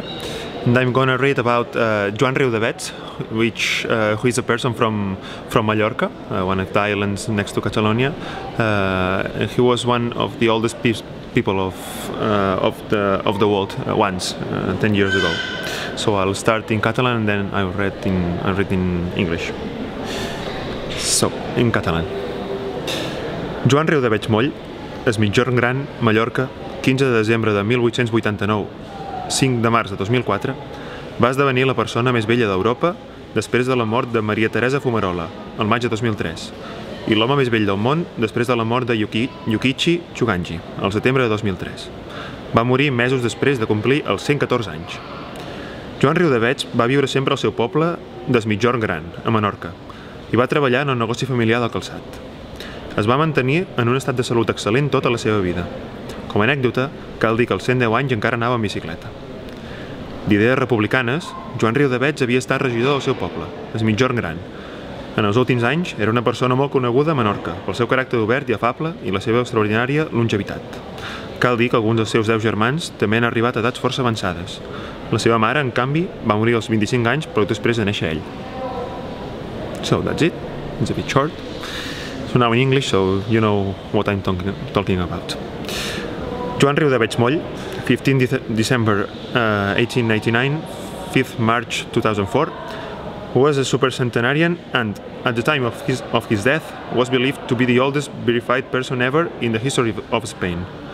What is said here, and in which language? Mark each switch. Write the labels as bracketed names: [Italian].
[English] And I'm going to read about Joan Riudavets, who is a person from Mallorca, one of the islands next to Catalonia. He was one of the oldest people of the world once, 10 years ago. So I'll start in Catalan and then I'll read in English. So, in Catalan. [Catalan] Joan Riudavets Moll, es migjorn gran, Mallorca, 15 de desembre de 1889, 5 de març de 2004, va esdevenir la persona més vella d'Europa després de la mort de Maria Teresa Fumarola, el maig de 2003, i l'home més vell del món després de la mort de Yukichi Chuganji, el setembre de 2003. Va morir mesos després de complir els 114 anys. Joan Riudavets va viure sempre al seu poble des migjorn gran, a Menorca, i va treballar en el negoci familiar del calçat. Es va mantenir en un estat de salut excel·lent tota la seva vida. Com a anècdota, cal dir que als 110 anys encara anava en bicicleta. D'idees republicanes, Joan Riudavets havia estat regidor del seu poble, es migjorn gran. En els últims anys, era una persona molt coneguda a Menorca, pel seu caràcter obert i afable i la seva extraordinària longevitat. Cal dir que alguns dels seus 10 germans també han arribat a edats força avançades. La seva mare, en canvi, va morir als 25 anys, però després de néixer ell. [English] So, that's it. It's a bit short. So now in English, so you know what I'm talking about. Joan Riudavets Moll, 15 December 1899, 5th March 2004, was a supercentenarian and, at the time of his death, was believed to be the oldest verified person ever in the history of Spain.